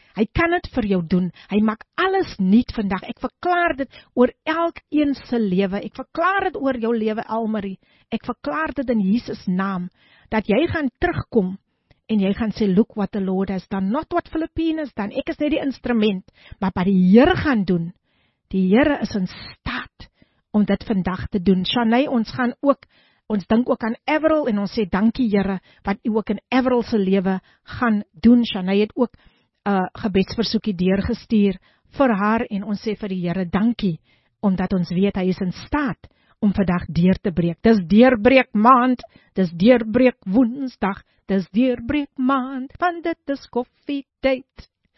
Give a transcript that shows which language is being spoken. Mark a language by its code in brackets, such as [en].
[af] Hy kan dit vir jou doen. Hy maak alles nuut vandag. Ek verklaar dit oor elkeen se lewe. Ek verklaar dit oor jou lewe, Almarie. Ek verklaar dit in Jesus naam dat jy gaan terugkom en jy gaan sê, [en] "Look what the Lord has done, not what Filipinus done. [af] Ek is net die instrument, maar wat die Here gaan doen. Die Here is in staat om dit vandag te doen." Shanay, ons gaan ook ons dink ook aan Everil en ons sê dankie Here wat U ook in Everil se lewe gaan doen. Shanay het ook 'n gebedsversoekie deurgestuur vir haar en ons sê vir die Here dankie omdat ons weet hy is in staat om vandag deur te breek. Dis deurbreek maand, dis deurbreek woensdag, dis deurbreek maand, want dit is koffietyd.